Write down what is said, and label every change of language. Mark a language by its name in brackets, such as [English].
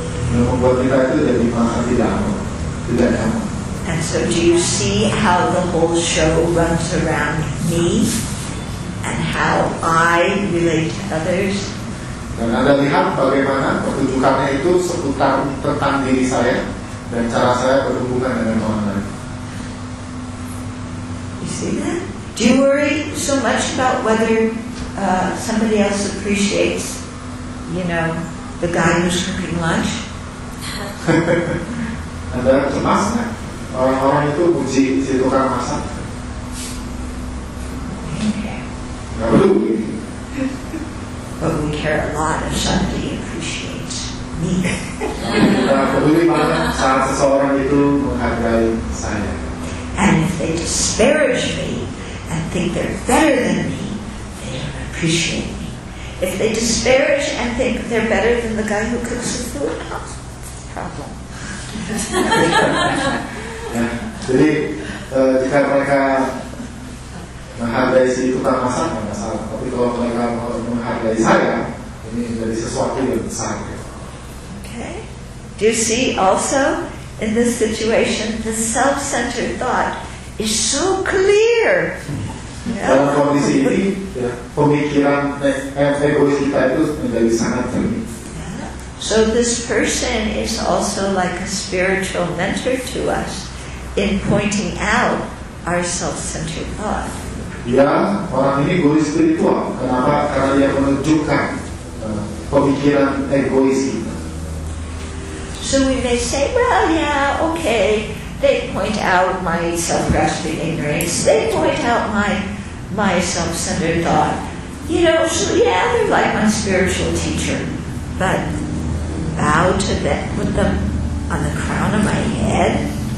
[Indonesian] Yang membuat kita itu jadi merasa tidak nyaman. [English] And so do you see how the whole show runs around me and how I relate to others? [Indonesian] Dan Anda lihat bagaimana pertunjukannya itu seputar tentang diri saya dan cara saya berhubungan dengan orang lain. [English] You see that? Do you worry so much about whether somebody else appreciates, you know, the guy who's cooking lunch? [Indonesian] Anda cemas gak? Orang-orang itu puji si tukang masak. [English] Okay. [Indonesian] Gak perlu. [English] But we care a lot if somebody appreciates me. [Indonesian] Peduli banget saat seseorang itu menghargai saya. [English] And if they disparage me and think they're better than me, they don't appreciate me. If they disparage and think they're better than the guy who cooks the food, that's a problem. [Indonesian] Ya, jadi jika mereka menghargai si tukang masak nggak masalah, tapi kalau mereka menghargai saya, ini menjadi sesuatu yang besar. [English] Okay. Do you see also in this situation the self-centered thought is so clear. [Indonesian] Dalam kondisi ini, ya, pemikiran egois kita itu menjadi sangat jernih. [English] Yeah. So this person is also like a spiritual mentor to us. In pointing out our self-centered thought. [Indonesian] Ya, orang ini egois spiritual. Kenapa? Karena dia menunjukkan pemikiran egois kita. [English] So we may say, well, yeah, okay. They point out my self-grasping ignorance. They point out my self-centered thought. You know, so yeah, they're like my spiritual teacher. But bow to them, put them on the crown of my head.